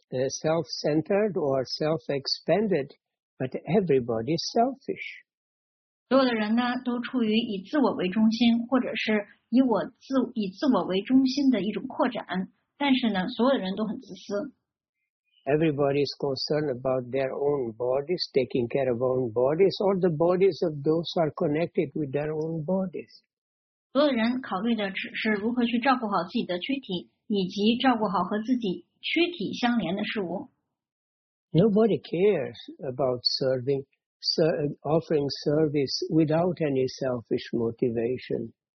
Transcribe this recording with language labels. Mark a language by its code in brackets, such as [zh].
[en] Self-centered or self-expanded, but everybody is selfish. [zh] 所有的人呢都处于以自我为中心，或者是以自我为中心的一种扩展，但是呢，所有的人都很自私。 [en] Everybody is concerned about their own bodies, taking care of own bodies, or the bodies of those who are connected with their own bodies. [zh] 所有人考虑的只是如何去照顾好自己的躯体，以及照顾好和自己躯体相连的事物。 [en] Nobody cares about offering service without any selfish motivation.